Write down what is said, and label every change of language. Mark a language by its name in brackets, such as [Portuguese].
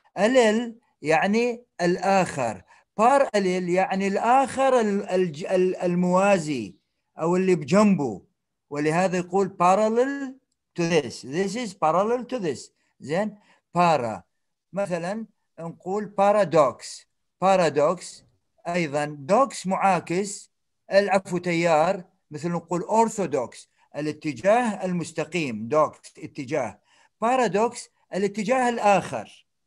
[Arabic] Allel يعني الآخر. Par allel يعني الآخر الموازي أو اللي بجنبه. ولهذا يقول [English] parallel to this. This is parallel to this. Then para. [Arabic] مثلا نقول paradox. Paradox أيضا. Dox معاكس. العفو تيار. مثل نقول orthodox. الاتجاه المستقيم. دوكس اتجاه. بارادوكس الاتجاه الآخر.